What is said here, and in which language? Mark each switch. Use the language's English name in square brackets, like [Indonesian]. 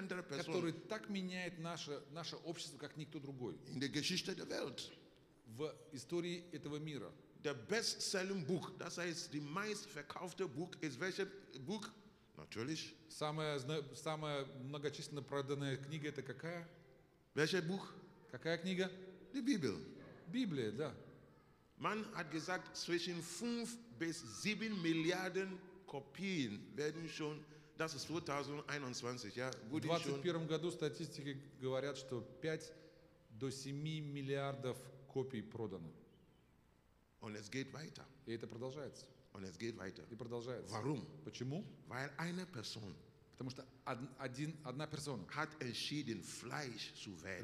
[Russian] Который так меняет наше общество, как никто другой. [English] In the [German] Geschichte der Welt. [Russian] В истории этого мира. [English] The best-selling book, that's why it's the most verkaufte book, is which book? [German] Natürlich. [Russian] Самая многочисленно проданная книга это какая? [German] Welcher Buch? [Russian] Какая книга? [German] Die Bibel. [Russian] Библия, да. [German] Man hat gesagt, zwischen 5 bis 7 Milliarden Kopien werden schon, das ist 2021, ja, wurde schon. [Russian] В 2021 году статистики говорят, что 5 до 7 миллиардов копий продано. [English] And let's get weiter. [Russian] И это продолжается. [English] And let's get weiter. [Russian] И продолжается. [German] Warum? [Russian] Почему? [German] Weil eine Person. [Russian] Потому что одна персона. [German] Hat entschieden, Fleisch zu werden.